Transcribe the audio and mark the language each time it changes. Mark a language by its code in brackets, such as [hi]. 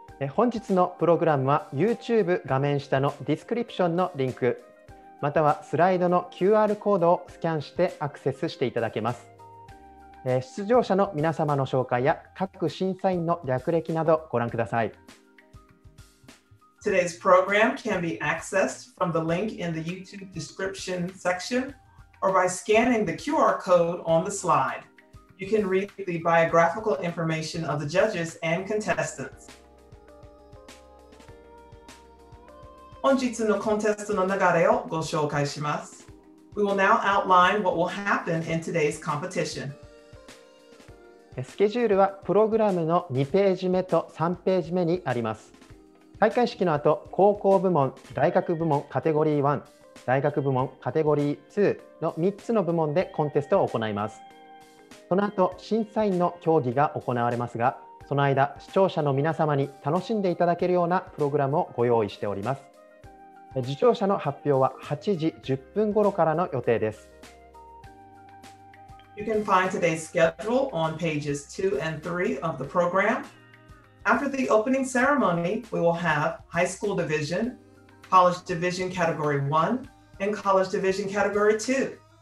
[ja] 本日のプログラムは YouTube 画面下のディスクリプションのリンク、またはスライドの QR コードをスキャンしてアクセスしていただけます。出場者の皆様の紹介や各審査員の略歴などご覧ください。 [en] Today's program can be accessed from the link in the YouTube description section or by scanning the QR code on the slide. You can read the biographical information of the judges and contestants. [ja] 本日のコンテストの流れをご紹介します。 [en] We will now outline what will happen in today's competition. [ja] スケジュールはプログラムの2ページ目と3ページ目にあります。開会式の後、高校部門、大学部門カテゴリー1、大学部門カテゴリー2の3つの部門でコンテストを行います。その後、審査員の競技が行われますが、その間、視聴者の皆様に楽しんでいただけるようなプログラムをご用意しております。受賞者の発表は8時10分頃からの予定です。 [en] You can find today's schedule on pages 2 and 3 of the program. After the opening ceremony, we will have High School Division, College Division Category 1, and College Division Category 2.